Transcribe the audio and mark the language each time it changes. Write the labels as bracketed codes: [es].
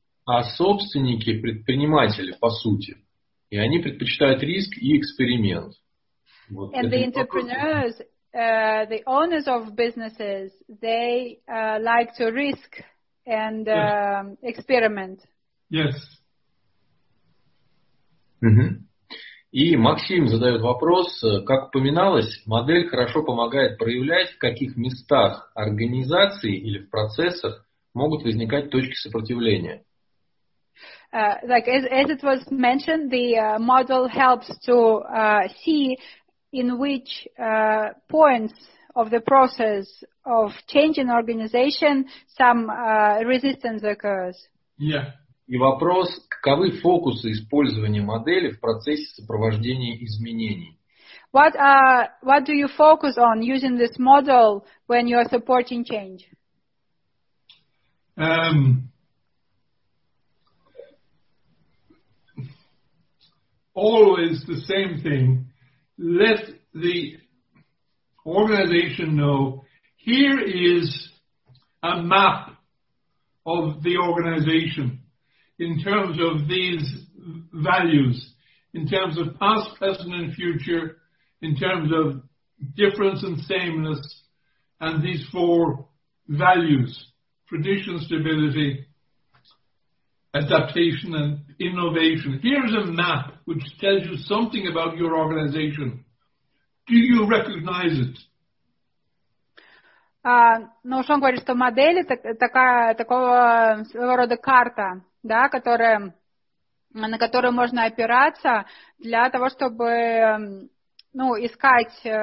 [ru] А собственники – предприниматели, по сути. И они предпочитают риск и эксперимент. Вот. [en] And the entrepreneurs, the owners of businesses, they like to risk and experiment. Yes. [ru] И Максим задает вопрос. Как упоминалось, модель хорошо помогает проявлять, в каких местах организации или в процессах могут возникать точки сопротивления. [en] Like as it was mentioned, the model helps to see in which points of the process of changing organization some resistance occurs. Yeah. [ru] И вопрос, каковы фокусы использования модели в процессе сопровождения изменений? [en] What do you focus on using this model when you are supporting change? Always the same thing. Let the organization know, here is a map of the organization. In terms of these values, in terms of past, present, and future, in terms of difference and sameness, and these four values, tradition, stability, adaptation, and innovation. Here's a map which tells you something about your organization. Do you recognize it? [ru] Шон говорит, что модель такого своего рода карта. Да, на которую можно опираться для того, чтобы искать